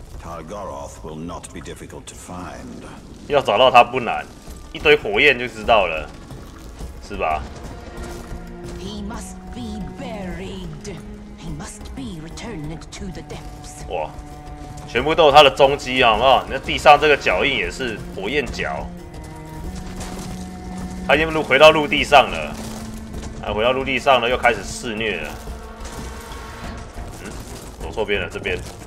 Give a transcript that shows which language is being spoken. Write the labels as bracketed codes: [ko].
[en] Tal'Goroth will not be difficult to find. [zh] 要找到他不难，一堆火焰就知道了，是吧 ？ [en] He must be buried. He must be returned to the depths. [zh] 哇，全部都有他的踪迹啊！那地上这个脚印也是火焰脚，他已经回到陆地上了，回到陆地上了，又开始肆虐了。错边了，这边。